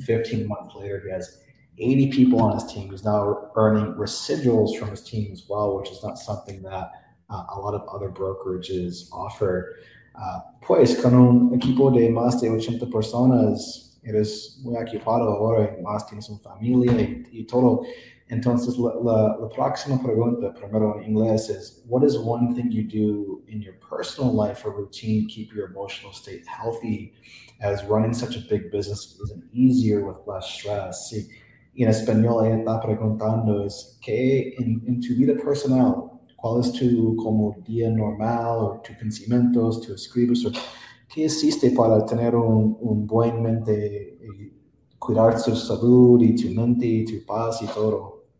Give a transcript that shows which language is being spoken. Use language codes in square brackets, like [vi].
[en] 15 months later, he has 80 people on his team. He's now earning residuals from his team as well, which is not something that a lot of other brokerages offer. [es] Pues con un equipo de más de 80 personas, eres muy ocupado ahora, y más tienes una familia y todo. Entonces, la próxima pregunta, primero en inglés, [en] is what is one thing you do in your personal life or routine to keep your emotional state healthy, as running such a big business isn't easier with less stress? [es] Sí, y en español, ella está preguntando, es que en tu vida personal, ¿cuál es tu como día normal o tus pensamientos, tu escribir? ¿Qué hiciste para tener un buen mente? Cuidar su salud y tu mente y tu paz y todo.